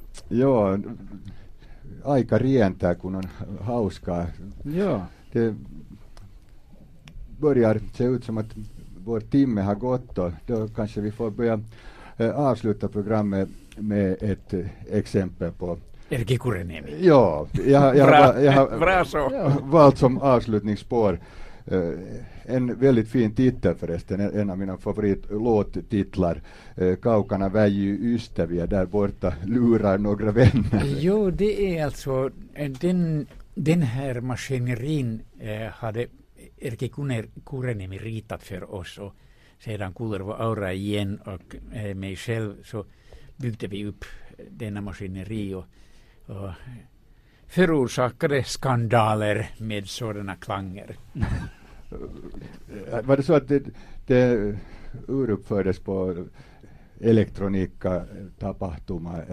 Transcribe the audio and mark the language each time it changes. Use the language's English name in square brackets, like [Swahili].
[Finnish] Joo, aika rientää, kun on hauskaa. Joo. [Swedish] Börjar se ut som att vår timme har gått, och då kanske vi får börja avsluta programmet med ett exempel på Erkki Kuraniemi. Ja, jag har valt som avslutningsspår en väldigt fin titel förresten, en av mina favoritlåttitlar, Kaukana väjy ystäviä, där borta lurar några vänner. Jo, det är alltså den här maskinerin hade Erkki Kuraniemi ritat för oss, och sedan Kullervo Aura igen och mig själv, så byggde vi upp denna maskineri och förorsakade skandaler med sådana klanger. Var det så att det uruppfördes på [Finnish] elektroniikkatapahtuma.